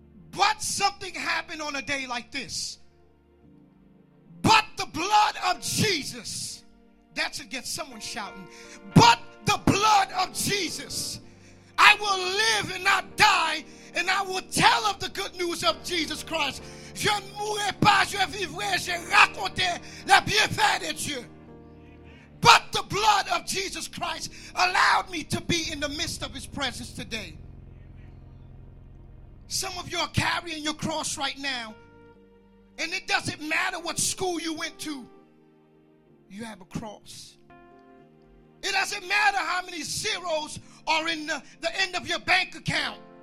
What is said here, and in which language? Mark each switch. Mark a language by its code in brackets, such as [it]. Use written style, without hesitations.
[en] But something happened on a day like this. But the blood of Jesus. That should get someone shouting. But the blood of Jesus. I will live and not die. And I will tell of the good news of Jesus Christ. [fr] Je ne mourrai pas, je vivrai, je raconterai la bienfaite de Dieu. [en] But the blood of Jesus Christ allowed me to be in the midst of his presence today. Some of you are carrying your cross right now. And it doesn't matter what school you went to. You have a cross. It doesn't matter how many zeros are in the end of your bank account.